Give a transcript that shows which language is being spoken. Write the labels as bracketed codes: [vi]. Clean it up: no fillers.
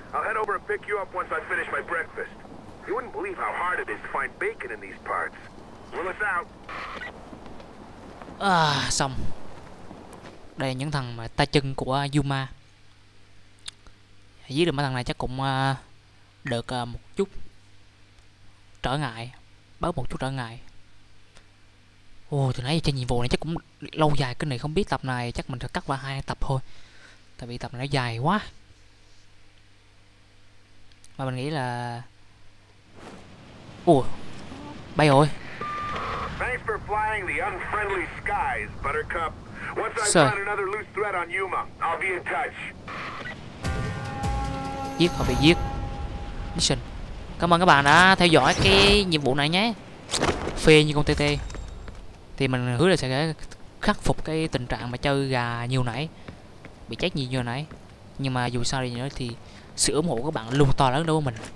[en] I'll head over and pick you up once I finish my breakfast. You wouldn't believe how hard it is to find bacon in these parts. Willis out. [vi] À, xong. Đây là những thằng mà tay chân của Yuma. Giết được mấy thằng này chắc cũng được một chút trở ngại, bớt một chút trở ngại. Ồ, từ nãy giờ chơi nhiệm vụ này chắc cũng lâu dài cái này, không biết tập này chắc mình sẽ cắt qua hai tập thôi. Tại vì tập này nó dài quá. Mà mình nghĩ là... Ồ, bay rồi. [en] Thanks for flying the unfriendly skies, Buttercup. Once I find another loose threat on Yuma, I'll be in touch. [vi] Giết hoặc bị giết. Mission. Cảm ơn các bạn đã theo dõi cái nhiệm vụ này nhé. Phê như con TT. Thì mình hứa là sẽ khắc phục cái tình trạng mà chơi gà nhiều nãy, bị chết nhiều nãy. Nhưng mà dù sao đi nữa thì sự ủng hộ của các bạn luôn to lớn đối với mình.